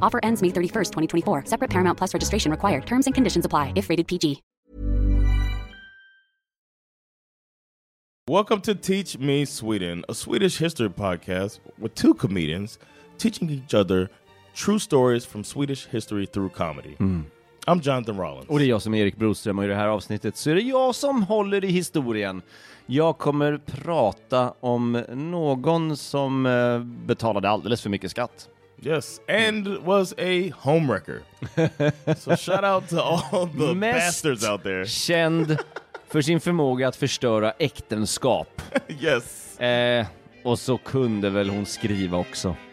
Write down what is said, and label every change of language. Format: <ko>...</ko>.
<en>Offer ends May 31st, 2024. Separate Paramount Plus registration required. Terms and conditions apply if rated PG. Welcome to Teach Me Sweden, a Swedish history podcast with two comedians teaching each other true stories from Swedish history through comedy. Mm. I'm Jonathan Rollins.</en> <sv>Och det är jag som är Erik Broström, och i det här avsnittet så är det jag som håller i historien. Jag kommer prata om någon som betalade alldeles för mycket skatt.</sv> <en>Yes, and was a homewrecker. So shout out to all the bastards out there.</en> <sv>Känd för sin förmåga att förstöra äktenskap.</sv> <en>Yes.</en> <sv>Och så kunde väl hon skriva också.</sv>